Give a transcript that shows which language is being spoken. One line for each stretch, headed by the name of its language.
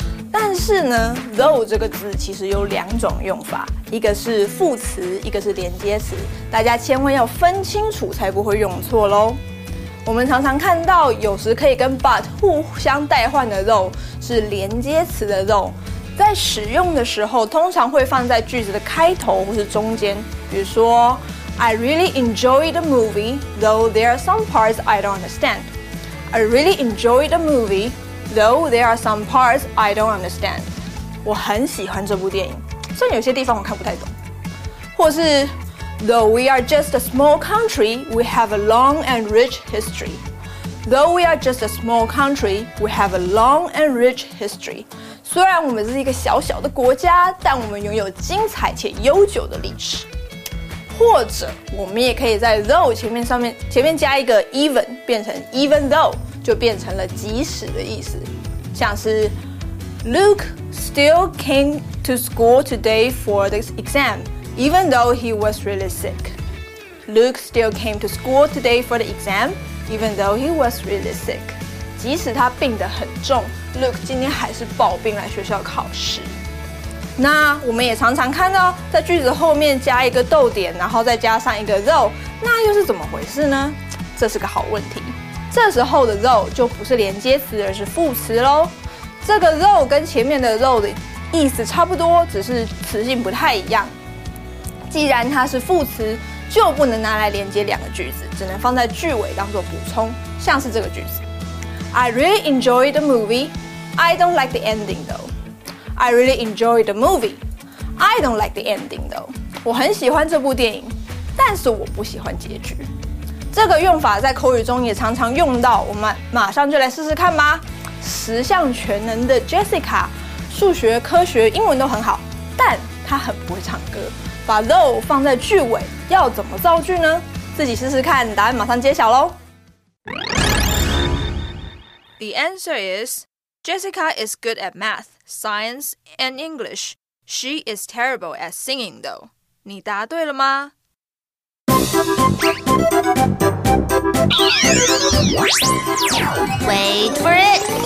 Chinese: 但是呢 ，though 这个字其实有两种用法，一个是副词，一个是连接词。大家千万要分清楚，才不会用错咯。我们常常看到，有时可以跟 but 互相代换的 though 是连接词的 though。在使用的时候，通常会放在句子的开头或是中间。比如说
English: ，I really enjoy the movie, though there are some parts I don't understand. I really enjoy the movie, though there are some parts I don't understand.
Chinese: 我很喜欢这部电影，虽然有些地方我看不太懂。或是
English: ，Though we are just a small country, we have a long and rich history. Though we are just a small country, we have a long and rich history.
Chinese: 虽然我们是一个小小的国家，但我们拥有精彩且悠久的历史。或者，我们也可以在 though 前面加一个 even， 变成 even though， 就变成了即使的意思。像是
English: Luke still came to school today for this exam, even though he was really sick. Luke still came to school today for the exam, even though he was really sick.
Chinese: 即使他病得很重 ，Luke 今天还是抱病来学校考试。那我们也常常看到在句子后面加一个逗点，然后再加上一个 though， 那又是怎么回事呢？这是个好问题。这时候的 though 就不是连接词，而是副词喽。这个 though 跟前面的 though 的意思差不多，只是词性不太一样。既然它是副词，就不能拿来连接两个句子，只能放在句尾当做补充，像是这个句子。
English: I really enjoy the movie. I don't like the ending, though. I really enjoy the movie. I don't like the ending, though.
Chinese: 我很喜欢这部电影，但是我不喜欢结局。这个用法在口语中也常常用到，我们马上就来试试看吧。十项全能的 Jessica， 数学、科学、英文都很好，但她很不会唱歌。把 though 放在句尾，要怎么造句呢？自己试试看，答案马上揭晓咯。
English: The answer is, Jessica is good at math, science, and English. She is terrible at singing, though.
Chinese: 你答对了吗？
English: Wait for it!